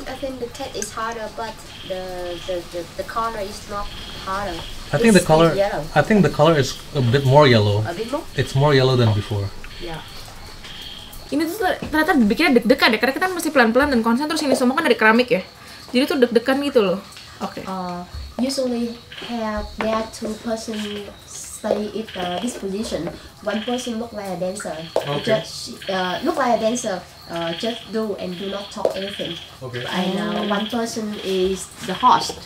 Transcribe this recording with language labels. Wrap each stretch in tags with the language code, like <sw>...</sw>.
<en>I think the tea is harder but the color is not harder. I think the color is a bit more yellow. A bit more? It's more yellow than before. Yeah.</en> <id>Ini tuh ternyata bikinnya deg-degan deh, karena kita masih pelan-pelan dan konsen, terus ini semua kan dari keramik ya. Jadi tuh deg-degan gitu loh. Okay.</id> <en>Usually there are two person study it this position. One person look like a dancer. Okay. Just look like a dancer. Just do and do not talk anything. Okay. And one person is the host.</en>